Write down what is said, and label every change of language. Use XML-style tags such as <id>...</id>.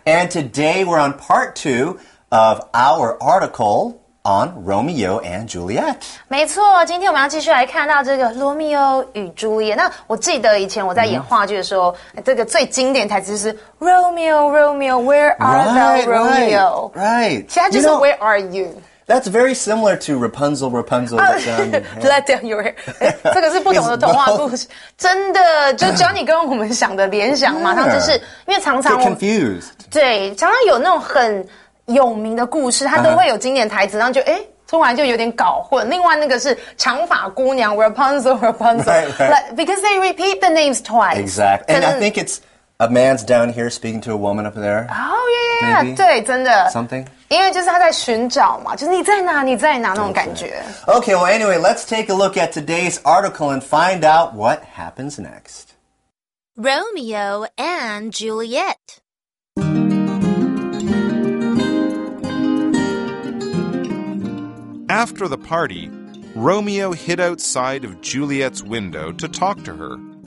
<en>And today we're on part two of our article on Romeo and Juliet.</en> <zh>没错，今天我们要继续来看到这个罗密欧与朱丽叶。那我记得以前我在演话剧的时候、mm-hmm. 这个最经典台词就是</zh> <en>Romeo, Romeo, where are thou, Romeo? Right.</en> <zh>现在就是</zh> <en>where are you? That's very similar to Rapunzel, Rapunzel, let down your hair. Let down your hair.</en> <zh>这个是不同的童话故事。真的就只要你跟我们想的联想马上就是因为常常</zh> <en>Get confused.</en> <zh>对常常有那种很有名的故事它都会有经典台词、uh-huh. 然后就突然就有点搞混。另外那个是长发姑娘 Rapunzel, Rapunzel.</zh> <en>Right, right. Like, because they repeat the names twice. Exactly. And I think it's a man's down here speaking to a woman up there. Oh, yeah, yeah, yeah.</en> <zh>对真的。</zh> <en>Something?</en> <zh>因为就是他在寻找嘛，就是你在哪，你在哪那种感觉。</zh> <en>Okay, well, anyway, let's take a look at today's article and find out what happens next. Romeo and Juliet. After the party, Romeo hid outside of Juliet's window to talk to her.</en>